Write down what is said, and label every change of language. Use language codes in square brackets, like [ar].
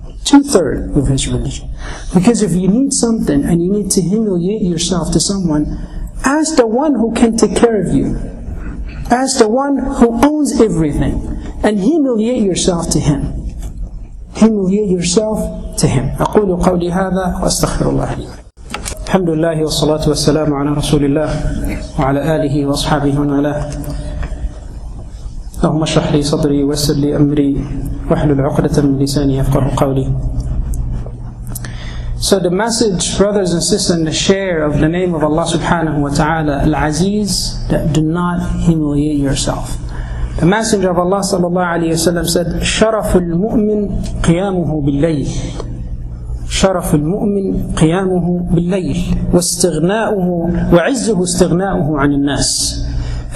[en] Two-thirds of his religion. Because if you need something and you need to humiliate yourself to someone, ask the one who can take care of you. Ask the one who owns everything. And humiliate yourself to him. Humiliate yourself to him. [ar] أقول قولي هذا وأستغفر الله لي. الحمد لله والصلاة والسلام على رسول الله وعلى آله وأصحابه ومن والاه. اللهم اشرح لي صدري ويسر لي أمري واحلل عقدة من لساني يفقهوا قولي. [en] So the message, brothers and sisters, and the share of the name of Allah subhanahu wa ta'ala, Al-Aziz, that do not humiliate yourself. The Messenger of Allah sallallahu alayhi wa sallam said, [ar] شَرَفُ الْمُؤْمِنِ قِيَامُهُ بِاللَّيْلِ شَرَفُ الْمُؤْمِنِ قِيَامُهُ بِاللَّيْلِ وَاسْتِغْنَاؤُهُ وَعِزُّهُ اسْتِغْنَاؤُهُ عَنِ النَّاسِ.